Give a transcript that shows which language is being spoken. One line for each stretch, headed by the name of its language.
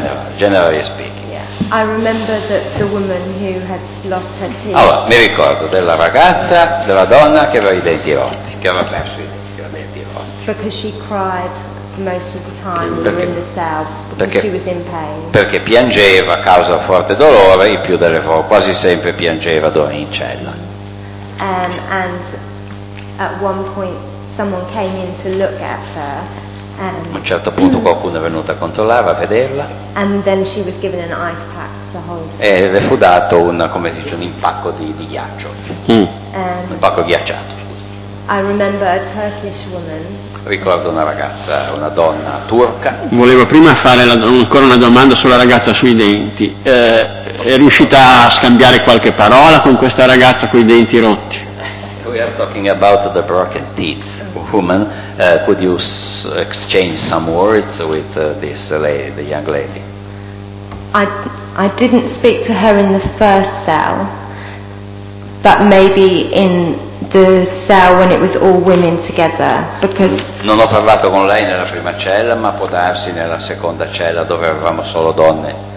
English: I remember that the woman who had lost her teeth.
Italian: Allora, mi ricordo della ragazza, della donna che aveva i denti rotti, che aveva perso i denti rotti.
English: Because she cried most of the time when we were in the cell, because she was in pain.
Italian: Perché piangeva a causa forte dolore, il più delle volte, quasi sempre piangeva in cella.
English: And at one point someone came in to look at her.
Italian: A un certo punto qualcuno è venuto a controllare, a vederla.
English: And then she was given an ice pack to hold.
Italian: E le fu dato un impacco di ghiaccio. Un pacco ghiacciato.
English: I remember a Turkish woman.
Italian: Ricordo una ragazza, una donna turca. Volevo prima fare ancora una domanda sulla ragazza sui denti. È riuscita a scambiare qualche parola con questa ragazza con i denti rotti?
English: We are talking about the broken teeth woman. Could you exchange some words with this lady, the young lady? I didn't speak to her in the first cell, but maybe in the cell when it was all women together, because
Italian: non ho parlato con lei nella prima cella, ma può darsi nella seconda cella dove eravamo solo donne.